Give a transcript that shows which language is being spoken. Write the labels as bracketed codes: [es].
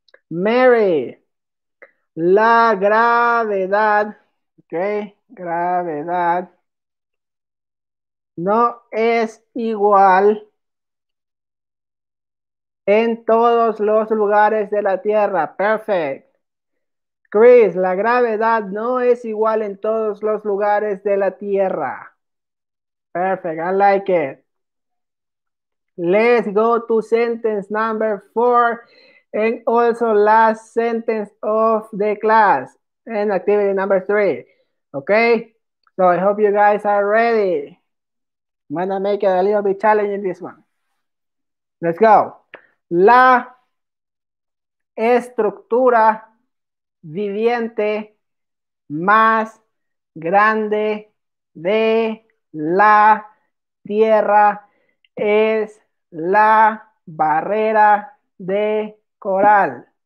[es] Mary, la gravedad, okay, gravedad, no es igual en todos los lugares de la Tierra. Perfect. Chris, la gravedad no es igual en todos los lugares de la Tierra. [en] Perfect, I like it. Let's go to sentence number four and also last sentence of the class and activity number three. Okay, so I hope you guys are ready. I'm gonna make it a little bit challenging this one. Let's go. [es] La estructura viviente más grande de la Tierra es la barrera de coral.